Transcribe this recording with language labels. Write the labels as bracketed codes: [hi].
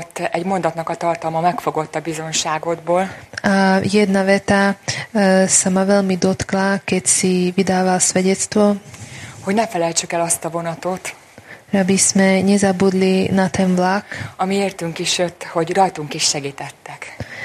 [hu] Egy mondatnak a tartalma megfogott a bizonságodból. [sk] A jedna veta sa ma veľmi dotkla, keď si vydával svedectvo. [hu] Hogy ne felejtsük el azt a vonatot, [sk] aby sme nezabudli na ten vlak, [hu] ami értünk is jött, hogy rajtunk is segítettek.